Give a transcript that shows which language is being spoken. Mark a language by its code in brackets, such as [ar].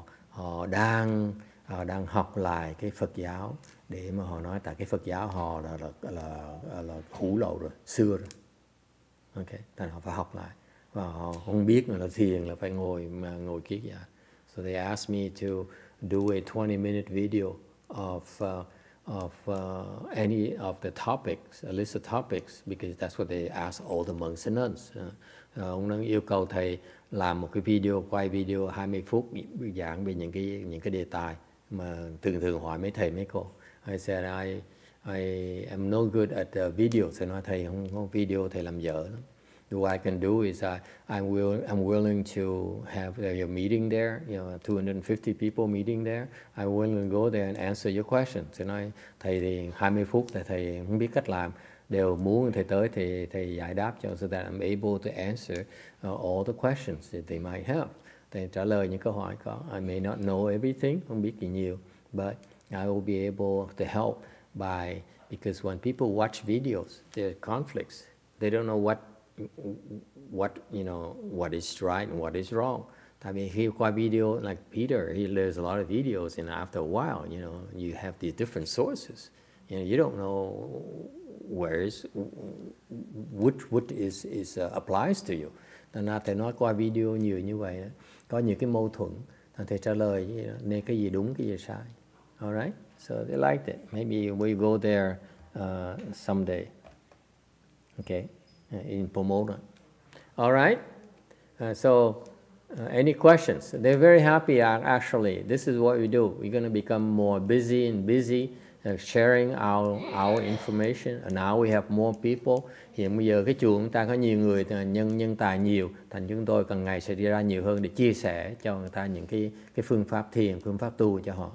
[vi] Họ đang đang học lại cái Phật giáo để mà họ nói tại cái Phật giáo họ là cũ lậu rồi, xưa rồi. Ok, tại họ phải học lại và họ không biết là thiền là phải ngồi mà ngồi kiết dạ. [en] So they asked me to do a 20 minute video of any of the topics, a list of topics, because that's what they ask all the monks and nuns. [vi] Ông đang yêu cầu thầy làm một cái video, quay video 20 phút giảng về những cái đề tài mà thường thường hỏi mấy thầy mấy cô. [en] I said I am no good at video, so [vi] nói thầy không video thầy làm dở lắm. [en] What I can do is I'm willing to have a meeting there, you know, 250 people meeting there. I'm willing to go there and answer your questions. [vi] So nói thầy thì 20 phút thì thầy không biết cách làm, đều muốn thầy tới thì thầy giải đáp cho, [en] so that I'm able to answer all the questions that they might have. [vi] Thầy trả lời những câu hỏi có. [en] I may not know everything, [vi] không biết gì nhiều, [en] but I will be able to help because when people watch videos, there are conflicts. They don't know what is right and what is wrong. [vi] Tại vì khi qua video, [en] like Peter, he learns a lot of videos, and after a while, you know, you have these different sources. You know, you don't know where is what is applies to you. [vi] Thành ra thầy nói qua video nhiều như vậy, có những cái mâu thuẫn, thầy trả lời nên cái gì đúng, cái gì sai. [en] All right? So they liked it. Maybe we go there someday. Okay? In Pomona. All right? So any questions? They're very happy, actually. This is what we do. We're going to become more busy and busy sharing our information. And now we have more people. [vi] Hiện bây giờ cái chuồng chúng ta có nhiều người, nhân tài nhiều. Thành chúng tôi càng ngày sẽ đi ra nhiều hơn để chia sẻ cho người ta những cái phương pháp thiền, phương pháp tu cho họ.